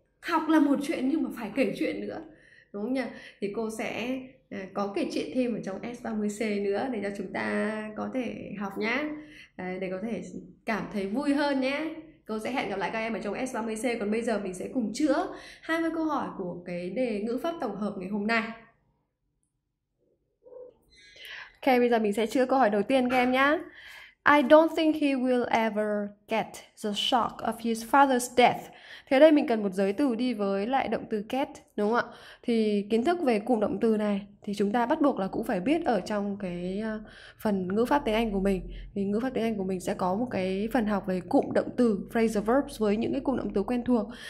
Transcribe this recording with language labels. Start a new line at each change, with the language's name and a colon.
Vietnamese: Học là một chuyện nhưng mà phải kể chuyện nữa, đúng không nhỉ? Thì cô sẽ có kể chuyện thêm ở trong S30C nữa để cho chúng ta có thể học nhé, để có thể cảm thấy vui hơn nhé. Cô sẽ hẹn gặp lại các em ở trong S30C. Còn bây giờ mình sẽ cùng chữa 20 câu hỏi của cái đề ngữ pháp tổng hợp ngày hôm nay. Ok, bây giờ mình sẽ chữa câu hỏi đầu tiên các em nhé.
English: I don't think he will ever get the shock of his father's death.
Vietnamese: Thế đây mình cần một giới từ đi với lại động từ get, đúng không ạ? Thì kiến thức về cụm động từ này thì chúng ta bắt buộc là cũng phải biết ở trong cái phần ngữ pháp tiếng Anh của mình. Thì ngữ pháp tiếng Anh của mình sẽ có một cái phần học về cụm động từ, phrasal verbs, với những cái cụm động từ quen thuộc.